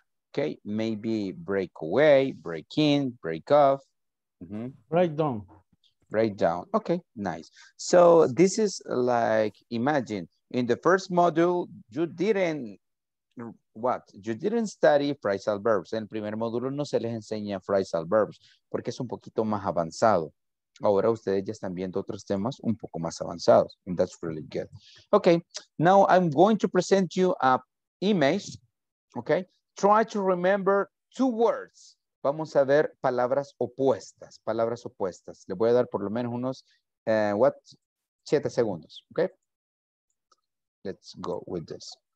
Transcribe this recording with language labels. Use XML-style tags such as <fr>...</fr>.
<en>Okay, maybe break away, break in, break off. Mm-hmm. Break down. Break down. Okay, nice. So this is like, imagine, in the first module, you didn't, what? You didn't study phrasal verbs.</en> <es>En el primer módulo no se les enseña phrasal verbs porque es un poquito más avanzado. Ahora ustedes ya están viendo otros temas un poco más avanzados.</es> <en>And that's really good. Okay, now I'm going to present you a image. Okay, try to remember two words.</en> <es>Vamos a ver palabras opuestas. Palabras opuestas. Le voy a dar por lo menos unos,</es> <en>what?</en> <es>7 segundos.</es> <en>Okay, let's go with this.</en>